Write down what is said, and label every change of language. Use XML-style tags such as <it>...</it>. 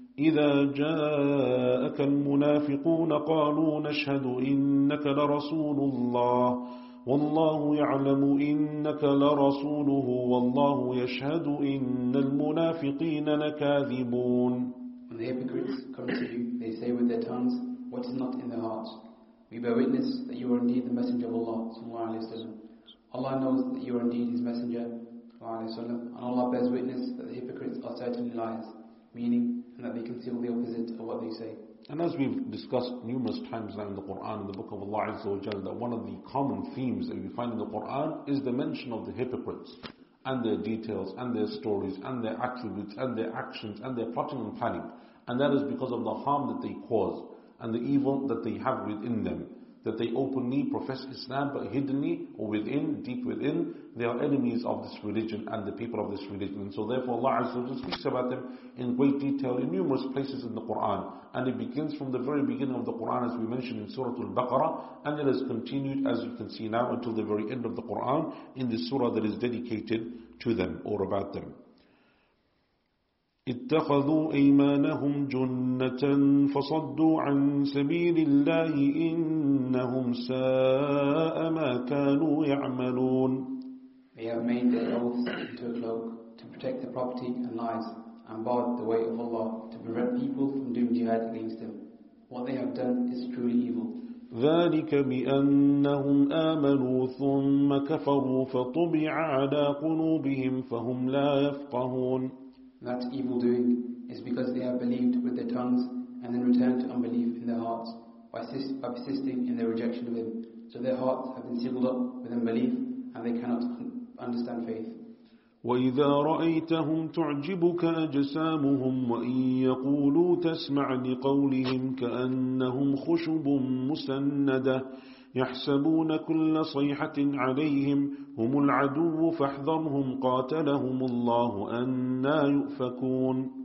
<ar>إذا جاءك المنافقون قالوا نشهد إنك لرسول الله والله يعلم إنك لرسوله والله يشهد إن المنافقين لكاذبون.</ar> <en>When the hypocrites come to you, they say with their tongues what is not in their hearts. We bear witness that you are indeed the messenger of Allah sallallahu alaihi wasallam. Allah knows that you are indeed His messenger sallallahu alaihi wasallam, and Allah bears witness that the hypocrites are certainly liars, meaning and that they conceal the opposite of what they say. And as we've discussed numerous times now in the Quran, in the book of Allah Azza wa Jal, that one of the common themes that we find in the Quran is the mention of the hypocrites and their details and their stories and their attributes and their actions and their plotting and planning. And that is because of the harm that they cause and the evil that they have within them. That they openly profess Islam, but hiddenly or within, deep within, they are enemies of this religion and the people of this religion. And so therefore Allah Azza wa Jalla speaks about them in great detail in numerous places in the Quran. And it begins from the very beginning of the Quran, as we mentioned in Surah Al-Baqarah, and it has continued, as you can see now, until the very end of the Quran in the surah that is dedicated to them or about them.</en> <ar>اتخذوا أيمانهم جنة فصدوا عن سبيل الله إنهم ساء ما كانوا يعملون.</ar> <en>They have made their oaths into a cloak to protect the property and lives, and barred the way of Allah to prevent people from doing jihad against them. What they have done is truly evil.</en> <ar>ذلك بأنهم آمنوا ثم كفروا فطبع على قلوبهم فهم لا يفقهون.</ar> <en>That evil doing is because they have believed with their tongues and then returned to unbelief in their hearts by persisting in their rejection of Him. So their hearts have been sealed up with unbelief and they cannot understand faith.</en> <ar>وَإِذَا رَأَيْتَهُمْ تُعْجِبُكَ أَجْسَامُهُمْ وَإِنْ يَقُولُوا تَسْمَعْ لِقَوْلِهِمْ كَأَنَّهُمْ خُشُبٌ مُسَنَّدَةٌ يحسبون كل صيحة عليهم هم العدو فاحذرهم قاتلهم الله أنى يؤفكون.</ar>